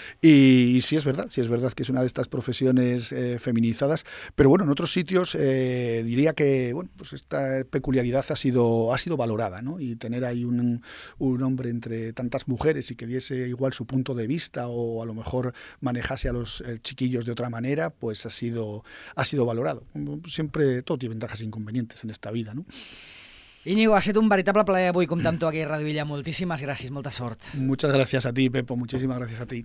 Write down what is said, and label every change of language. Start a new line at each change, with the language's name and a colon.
Spanish: Y sí es verdad que es una de estas profesiones feminizadas, pero bueno, en otros sitios diría que, bueno, pues esta peculiaridad ha sido valorada, ¿no? Y tener ahí un hombre entre tantas mujeres y que diese igual su punto de vista, o a lo mejor manejase a los chiquillos de otra manera, pues ha sido valorado. Siempre todo tiene ventajas e inconvenientes en esta vida, ¿no?
Catalan: Íñigo, ha sido un veritable plaer avui comptar amb tu aquí a Radio Villa. Moltíssimes gràcies, molta sort.
Spanish: Muchas gracias a ti, Pepo, muchísimas gracias a ti.